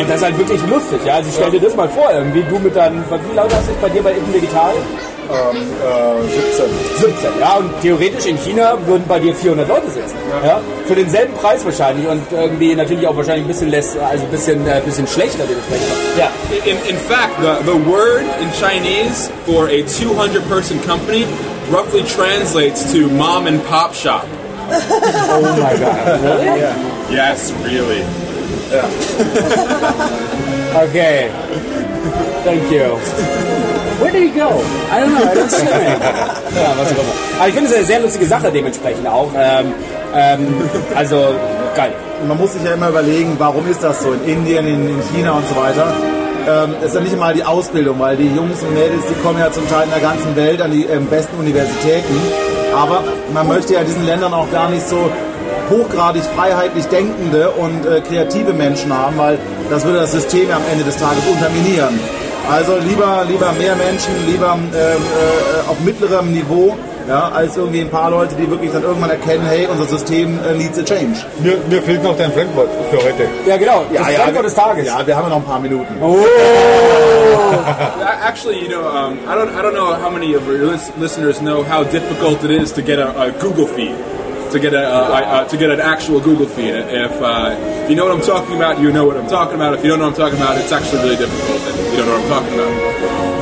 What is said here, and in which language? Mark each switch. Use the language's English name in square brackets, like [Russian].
[German] Und das ist halt wirklich lustig. Ja. Also stell dir das mal vor, irgendwie du mit deinen, wie laut hast du bei dir bei Eaton Digital? 17. Ja, und theoretisch in China würden bei dir 400 Leute sitzen. Ja. Ja, für denselben Preis wahrscheinlich und irgendwie natürlich auch wahrscheinlich ein bisschen less, also ein bisschen schlechter dementsprechend. Ja. [English] In fact, the word in Chinese for a 200 person company roughly translates to mom and pop shop. Oh my god. Really? Yeah. Yes, really. Yeah. Okay. Thank you. Where did he go? I don't know, I don't see him. [German] Aber ich finde es eine sehr lustige Sache dementsprechend auch. Also, geil. Man muss sich ja immer überlegen, warum ist das so in Indien, in China und so weiter. Es ist ja nicht mal die Ausbildung, weil die Jungs und Mädels, die kommen ja zum Teil in der ganzen Welt an die besten Universitäten. Aber man möchte ja diesen Ländern auch gar nicht so hochgradig freiheitlich denkende und kreative Menschen haben, weil das würde das System am Ende des Tages unterminieren. Also lieber mehr Menschen, lieber auf mittlerem Niveau, ja, als irgendwie ein paar Leute, die wirklich dann irgendwann erkennen, hey, unser System [English] needs a change. [German] Mir fehlt noch dein Fremdwort für heute. Ja, genau. Das ja, Fremdwort des Tages. Ja, wir haben ja noch ein paar Minuten. Oh. [English] Actually, you know, I don't know how many of your listeners know how difficult it is to get a Google feed, to get an actual Google feed. If you know what I'm talking about, you know what I'm talking about. If you don't know what I'm talking about, it's actually really difficult. If you don't know what I'm talking about.